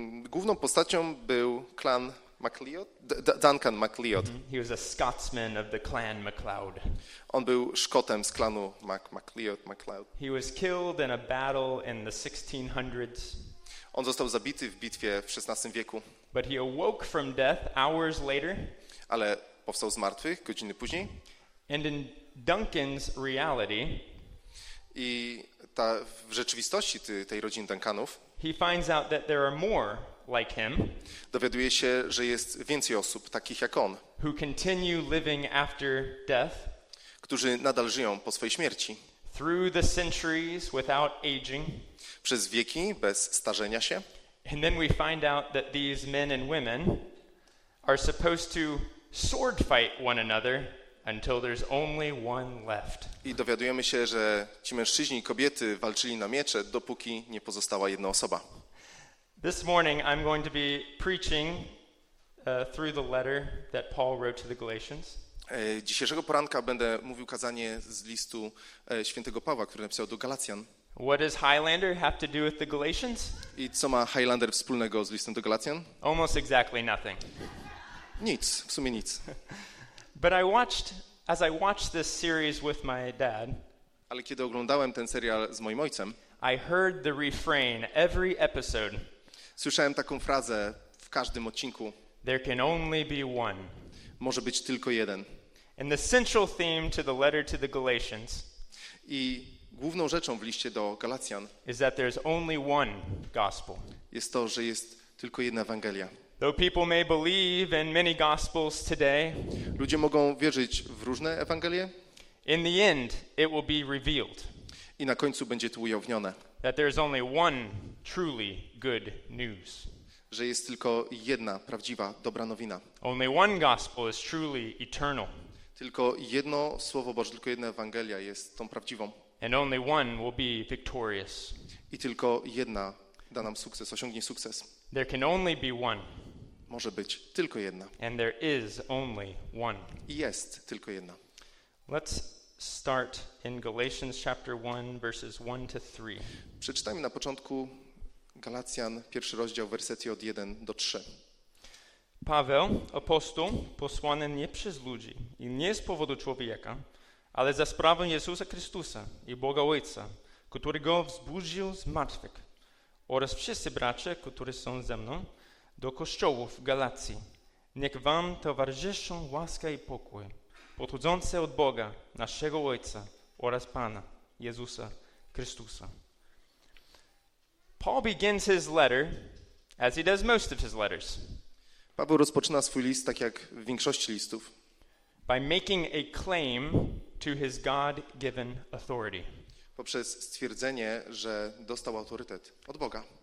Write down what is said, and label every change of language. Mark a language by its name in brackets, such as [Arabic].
[Polish] Główną postacią był Clan MacLeod, Duncan MacLeod. [English] He was a Scotsman of the Clan MacLeod. [Polish] On był Szkotem z klanu MacLeod. [English] He was killed in a battle in the 1600s. [Polish] On został zabity w bitwie w XVI wieku. [English] But he awoke from death hours later. [Polish] Ale powstał z martwych godziny później. [English] And in Duncan's reality, [Polish] i ta w rzeczywistości tej rodziny Duncanów, [English] he finds out that there are more like him. [Polish] Dowiaduje się, że jest więcej osób takich jak on, [English] who continue living after death, [Polish] którzy nadal żyją po swojej śmierci. [English] Through the centuries without aging, [Polish] przez wieki bez starzenia się. [English] And then we find out that these men and women are supposed to sword fight one another until there's only one left. [Polish] I dowiadujemy się, że ci mężczyźni i kobiety walczyli na miecze, dopóki nie pozostała jedna osoba. [English] This morning I'm going to be preaching through the letter that Paul wrote to the Galatians. [Polish] Dzisiejszego poranka będę mówił kazanie z listu świętego Pawła, który napisał do Galacjan. [English] What does Highlander have to do with the Galatians? [Polish] I co ma Highlander wspólnego z listem do Galacjan? [English] Almost exactly nothing. [Polish] Nic, w sumie nic. [English] But I watched, as I watched this series with my dad, [Polish] ale kiedy oglądałem ten serial z moim ojcem, [English] I heard the refrain every episode. [Polish] Słyszałem taką frazę w każdym odcinku. [English] There can only be one. [Polish] Może być tylko jeden. [English] And the central theme to the letter to the Galatians, [Polish] i główną rzeczą w liście do Galacjan, [English] is that there's only one gospel. [Polish] Jest to, że jest tylko jedna Ewangelia. [English] Though people may believe in many gospels today, [Polish] ludzie mogą wierzyć w różne Ewangelie, [English] in the end it will be revealed, [Polish] i na końcu będzie to ujawnione, [English] that there's only one truly good news, [Polish] że jest tylko jedna prawdziwa dobra nowina. [English] Only one gospel is truly eternal. [Polish] Tylko jedno słowo Boże, tylko jedna Ewangelia jest tą prawdziwą. [English] And only one will be victorious. [Polish] I tylko jedna da nam sukces, osiągnie sukces. [English] There can only be one. [Polish] Może być tylko jedna. [English] And there is only one. [Polish] I jest tylko jedna. [English] Let's start in Galatians chapter 1, verses 1 to 3. [Polish] Przeczytajmy na początku Galacjan, pierwszy rozdział, wersety od 1 do 3. Paweł, apostoł, posłany nie przez ludzi i nie z powodu człowieka, ale za sprawą Jezusa Chrystusa i Boga Ojca, który go wzbudził z martwych, oraz wszyscy bracia, którzy są ze mną, do kościołów Galacji. Niech wam towarzyszą łaska i pokój, pochodzące od Boga, naszego Ojca oraz Pana Jezusa Chrystusa. [English] Paul begins his letter, as he does most of his letters. [Polish] Paweł rozpoczyna swój list, tak jak w większości listów, [English] by making a claim to his God-given authority. [Polish] Poprzez stwierdzenie, że dostał autorytet od Boga.